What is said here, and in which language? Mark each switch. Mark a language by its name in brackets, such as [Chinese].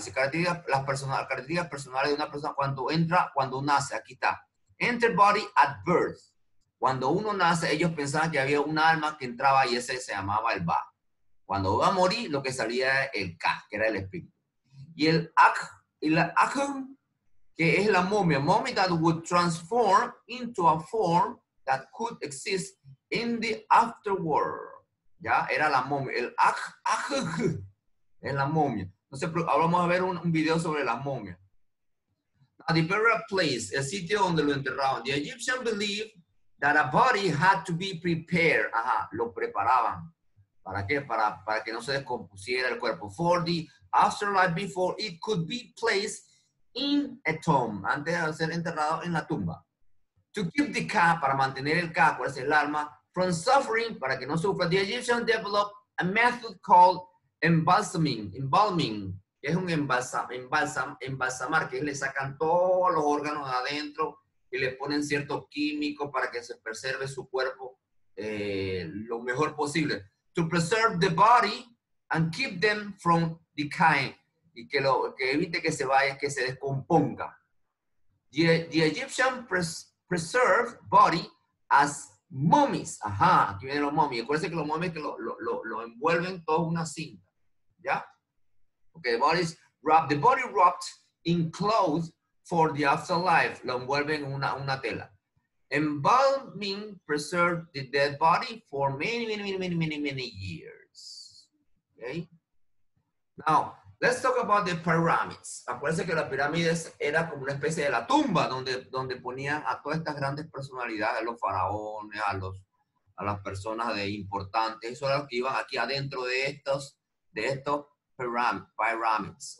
[Spanish] Se caracteriza las personas, características personales de una persona cuando entra, cuando nace. Aquí está. [English] Enter body at birth. [Spanish] Cuando uno nace, ellos pensaban que había un alma que entraba y ese se llamaba el ba. Cuando va a morir, lo que salía era el ka, que era el espíritu. Y el ak, y la akum, que es la momia. [English] Mummy that would transform into a form that could exist in the afterworld. [Spanish] Ya, era la momia. El ak, akum, es la momia. Entonces, ahora vamos a ver un video sobre la momia. [English] Now, the burial place, [Spanish] el sitio donde lo enterraban. [English] The Egyptian believed that a body had to be prepared. [Spanish] Ajá, lo preparaban. ¿Para qué? Para que no se descompusiera el cuerpo. [English] For the afterlife before it could be placed in a tomb. [Spanish] Antes de ser enterrado en la tumba. [English] To keep the ka, [Spanish] para mantener el ka, cuál es el alma, [English] from suffering, [Spanish] para que no sufra. [English] The Egyptians developed a method called embalming. [Spanish] Embalming, que es un embalsamar, que le sacan todos los órganos de adentro y le ponen ciertos químicos para que se preserve su cuerpo lo mejor posible. [English] To preserve the body and keep them from decaying. [Spanish] Y que, lo, que evite que se vaya, que se descomponga. [English] The Egyptian preserved body as mummies. [Spanish] Ajá, aquí vienen los mummies. Acuérdense que los mummies que lo envuelven todo una cinta. [English] ¿Ya? Okay, the body is wrapped. The body wrapped in clothes for the afterlife. [Spanish] Lo envuelven en una tela. [English] Embalming preserved the dead body for many years. Okay. Now, let's talk about the pyramids. [Spanish] Acuérdense que las pirámides era como una especie de la tumba donde ponían a todas estas grandes personalidades, a los faraones, a las personas de importantes. Eso era lo que iban aquí adentro de estos pyramids.